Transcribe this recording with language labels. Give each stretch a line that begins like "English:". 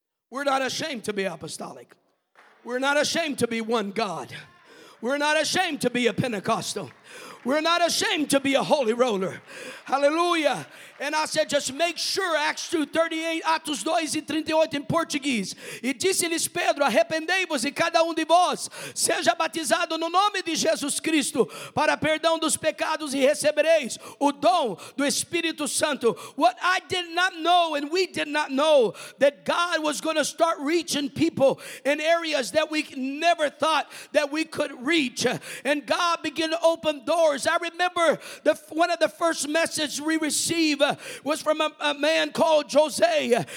English: We're not ashamed to be apostolic. We're not ashamed to be one God. We're not ashamed to be a Pentecostal. We're not ashamed to be a holy roller. Hallelujah. And I said, just make sure, Acts 2:38, Atos 2:38 in Portuguese.
Portuguese: E disse-lhes Pedro, arrependei-vos e cada de vós seja batizado no nome de Jesus Cristo para perdão dos pecados e recebereis o dom do Espírito Santo.
English: What I did not know, and we did not know, that God was going to start reaching people in areas that we never thought that we could reach. And God began to open doors. I remember one of the first messages we received was from a man called Jose.